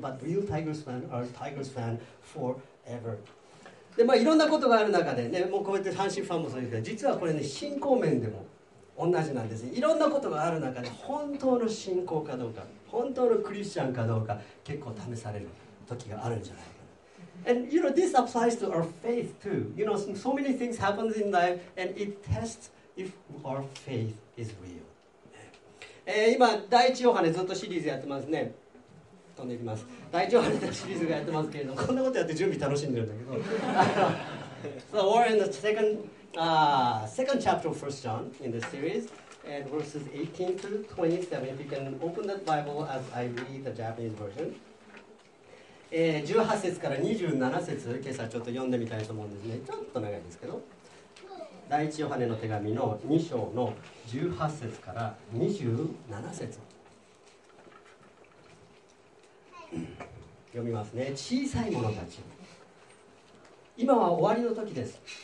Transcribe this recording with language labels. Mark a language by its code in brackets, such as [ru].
[en] But real Tigers fan are Tigers fan for ever. [ja] で、まあ、いろんなことがある中で、ね、もうこうやって阪神ファンもそうですけど、実はこれね、信仰面でも同じなんですね。いろんなことがある中で、本当の信仰かどうか、本当のクリスチャンかどうか、結構試される時があるんじゃないかな。 [en] And you know, this applies to our faith too. You know, so many things happen in life, and it tests if our faith is real. [ja] 今、第一ヨハネずっとシリーズやってますね。飛んでいきます。第一ヨハネのシリーズがやってますけれども、こんなことやって準備楽しんでるんだけど。 [en] So we're in the second chapter of First John in the series, and verses 18 to 27. If you can open that Bible as I read the Japanese version. [ja] 18節から27節、今朝ちょっと読んでみたいと思うんですね。ちょっと長いんですけど。第一ヨハネの手紙の2章の18節から27節読みますね。小さい者たち、今は終わりの時です。